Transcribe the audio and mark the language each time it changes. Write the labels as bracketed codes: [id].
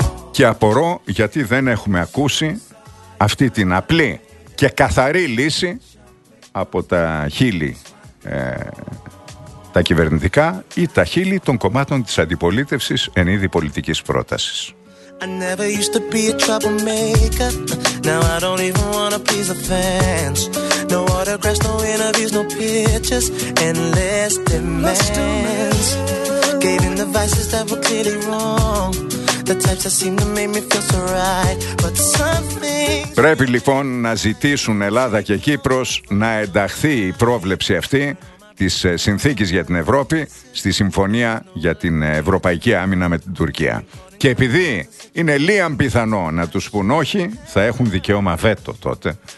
[el] Και απορώ γιατί δεν έχουμε ακούσει αυτή την απλή και καθαρή λύση από τα χείλη τα κυβερνητικά ή τα χείλη των κομμάτων της αντιπολίτευσης εν είδη πολιτικής πρότασης. [en] I never used to be a troublemaker. Now I don't even wanna please the fans. No autographs, no interviews, no pictures. Endless demands. Gave in the vices that were clearly wrong. The types that seem to make me feel so right. But something. [el] Πρέπει λοιπόν να ζητήσουν Ελλάδα και Κύπρος να ενταχθεί η πρόβλεψη αυτή της Συνθήκης για την Ευρώπη στη Συμφωνία για την Ευρωπαϊκή Άμυνα με την Τουρκία. Και επειδή είναι λίγαν πιθανό να τους πουν όχι, θα έχουν δικαίωμα βέτο τότε